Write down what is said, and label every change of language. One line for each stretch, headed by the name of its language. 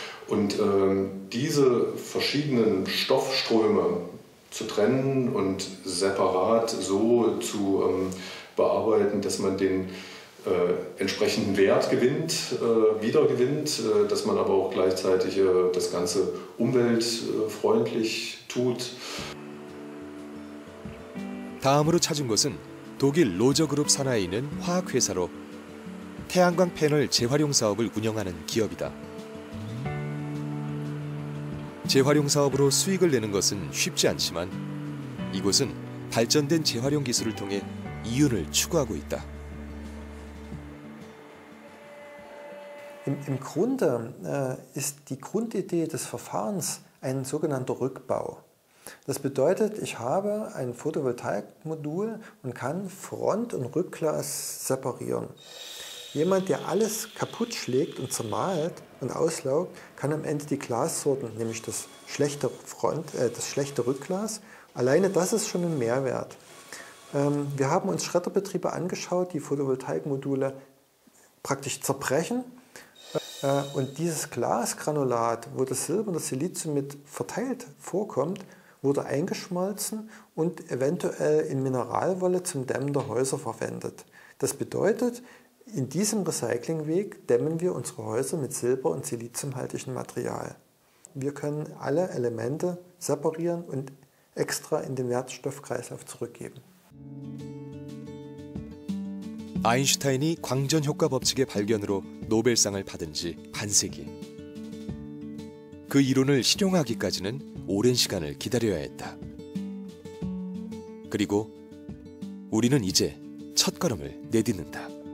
German: Und diese verschiedenen Stoffströme zu trennen und separat so zu bearbeiten, dass man den entsprechenden Wert gewinnt, wiedergewinnt, dass man aber auch gleichzeitig das Ganze umweltfreundlich tut.
Korean: 다음으로 찾은 것은 독일 로저그룹 산하에 있는 화학회사로 태양광 패널 재활용 사업을 운영하는 기업이다. 재활용 사업으로 수익을 내는 것은 쉽지 않지만 이곳은 발전된 재활용 기술을 통해 이윤을 추구하고 있다.
German: Im Grunde ist die Grundidee des Verfahrens ein sogenannter Rückbau. Das bedeutet, ich habe ein Photovoltaikmodul und kann Front- und Rückglas separieren. Jemand, der alles kaputt schlägt und zermalt und auslaugt, kann am Ende die Glassorten, nämlich das schlechte Front, das schlechte Rückglas, alleine das ist schon ein Mehrwert. Wir haben uns Schredderbetriebe angeschaut, die Photovoltaikmodule praktisch zerbrechen. Und dieses Glasgranulat, wo das Silber und das Silizium mit verteilt vorkommt, wurde eingeschmolzen und eventuell in Mineralwolle zum Dämmen der Häuser verwendet. Das bedeutet, in diesem Recyclingweg dämmen wir unsere Häuser mit Silber- und Siliziumhaltigem Material. Wir können alle Elemente separieren und extra in den Wertstoffkreislauf zurückgeben.
Korean: 아인슈타인이 광전효과법칙의 발견으로 노벨상을 받은 지 반세기. 그 이론을 실용하기까지는 오랜 시간을 기다려야 했다. 그리고 우리는 이제 첫 걸음을 내딛는다.